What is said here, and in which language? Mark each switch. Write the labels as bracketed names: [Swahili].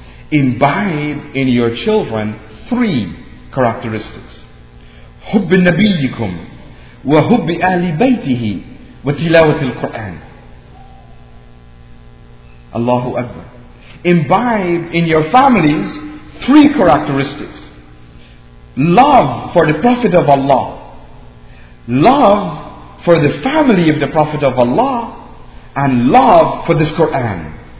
[English] Imbibe in your children three characteristics. [Arabic] حب نبيكم وحب آل بيته وتلاوة القرآن. Allahu Akbar. [English] Imbibe in your families three characteristics: love for the Prophet of Allah, love for the family of the Prophet of Allah, and love for this Quran.